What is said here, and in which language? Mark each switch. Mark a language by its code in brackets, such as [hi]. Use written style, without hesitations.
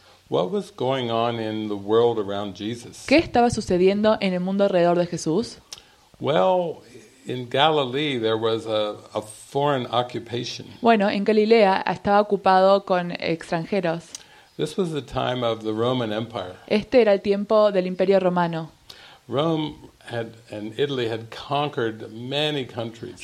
[en] What was going on in the world around Jesus? [es] ¿Qué estaba sucediendo en el mundo alrededor de Jesús? [en] Well, in Galilee there was a foreign occupation. [es] Bueno, en Galilea estaba ocupado con extranjeros. [en] This was the time of the Roman Empire. [es] Este era el tiempo del Imperio Romano. [en] Rome had and Italy had conquered many countries.